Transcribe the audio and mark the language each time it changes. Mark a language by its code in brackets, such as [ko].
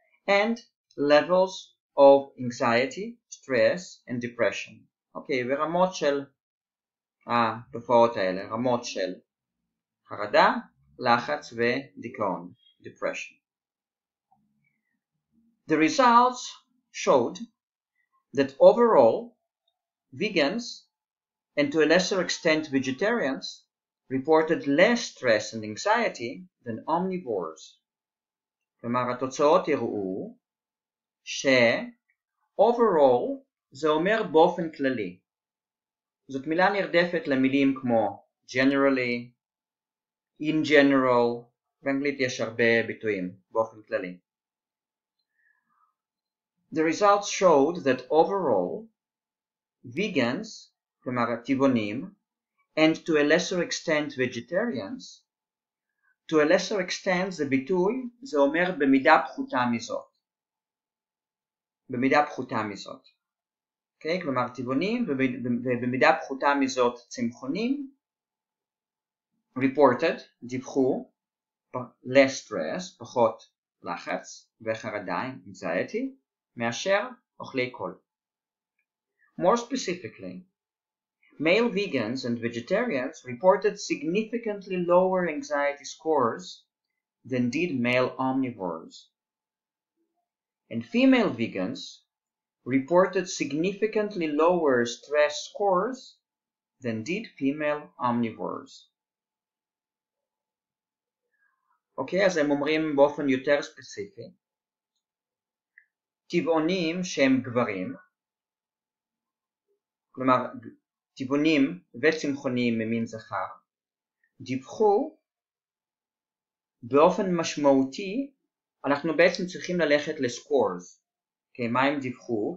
[en] And levels of anxiety, stress and depression. [he] Okay, ורמות של התופעות האלה, רמות של חרדה, לחץ ודיכאון, depression. [en] The results showed that overall, vegans, and to a lesser extent vegetarians, reported less stress and anxiety than omnivores. [he] כלומר, התוצאות הראו ש-overall זה אומר באופן כללי. זאת מילה נרדפת למילים כמו generally, in general, באנגלית יש הרבה ביטויים, באופן כללי. [en] The results showed that overall, vegans, [he] כלומר הטבעונים, [en] and to a lesser extent vegetarians, to a lesser extent [he] זה ביטוי, זה אומר במידה פחותה מזאת. במידה פחותה מזאת. Okay? כלומר טבעונים, ובמידה פחותה מזאת צמחונים, reported, דיווחו, less stress, פחות לחץ, וחרדיים, anxiety, מאשר אוכלי קול. [en] More specifically, male vegans and vegetarians reported significantly lower anxiety scores than did male omnivores. And female vegans reported significantly lower stress scores than did female omnivores. [he] אוקיי, אז הם אומרים באופן יותר ספציפי, טבעונים שהם גברים, כלומר טבעונים וצמחונים ממין זכר, דיווחו באופן משמעותי, אנחנו בעצם צריכים ללכת לסקורס, כי מה הם דיווחו?